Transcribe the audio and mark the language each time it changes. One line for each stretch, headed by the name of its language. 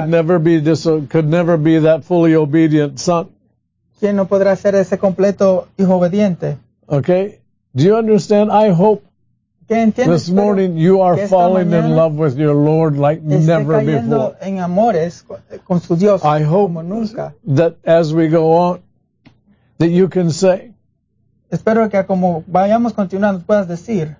English: Could never be could never be that fully obedient son.
Spanish: ¿Quién no podrá ser ese completo hijo obediente?
English: Okay. Do you understand? I hope this morning you are falling in love with your Lord like never before.
Spanish: En amores con su Dios,
English: I hope
Spanish: como nunca.
English: That as we go on, that you can say,
Spanish: espero que como vayamos continuando puedas decir,